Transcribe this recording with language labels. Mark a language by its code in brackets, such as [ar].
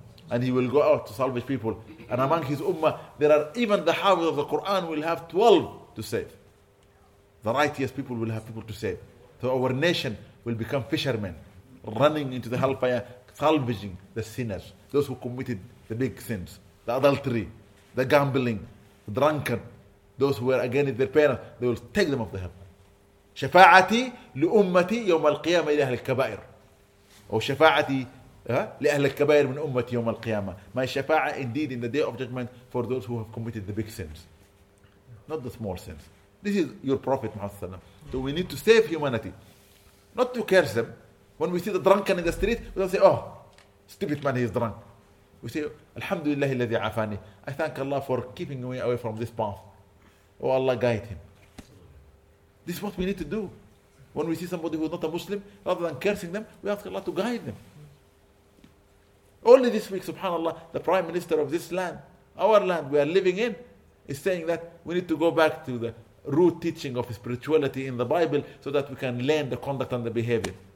[en] And he will go out to salvage people. And among his ummah, there are even the hafiz of the Quran will have 12 to save. The righteous people will have people to save. So our nation will become fishermen, running into the hellfire, salvaging the sinners, those who committed the big sins, the adultery, the gambling, the drunkard, those who were against their parents, they will take them off the hell. [ar] شفاعتي لأمتي يوم القيامة إلى أهل الكبائر. أو شفاعتي لأهل الكبائر من أمتي يوم القيامة. [en] My شفاعة indeed in the day of judgment for those who have committed the big sins. Not the small sins. This is your Prophet Muhammad Sallallahu Alaihi Wasallam. So we need to save humanity. Not to curse them. When we see the drunken in the street, we don't say, oh, stupid man, he is drunk. We say, [ar] Alhamdulillah الذي عفاني. [en] I thank Allah for keeping me away from this path. Oh, Allah guide him. This is what we need to do. When we see somebody who is not a Muslim, rather than cursing them, we ask Allah to guide them. Only this week, subhanAllah, the Prime Minister of this land, our land we are living in, is saying that we need to go back to the root teaching of spirituality in the Bible so that we can learn the conduct and the behavior.